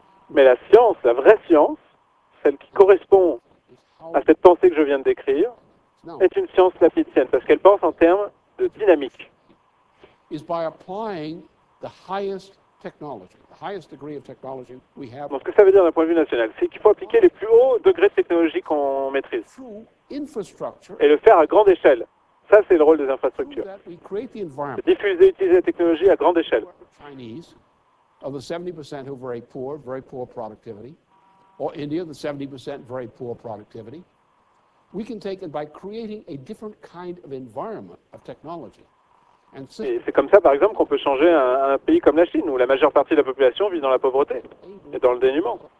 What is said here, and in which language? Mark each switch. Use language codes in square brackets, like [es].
[fr] Mais la science, la vraie science, celle qui correspond à cette pensée que je viens de décrire, est une science leibnizienne, parce qu'elle pense en termes de dynamique. [en] Is by applying the highest technology, the highest degree of technology we have. [fr] Donc, ce que ça veut dire d'un point de vue national, c'est qu'il faut appliquer les plus hauts degrés de technologie qu'on maîtrise. Et le faire à grande échelle. Ça, c'est le rôle des infrastructures. C'est diffuser et utiliser la technologie à grande échelle. [en] Chinese, of the 70% who are very poor productivity, or India, the 70% very poor productivity, we can take it by creating a different kind of environment of technology. [fr] Et c'est comme ça, par exemple, qu'on peut changer un pays comme la Chine, où la majeure partie de la population vit dans la pauvreté et dans le dénuement.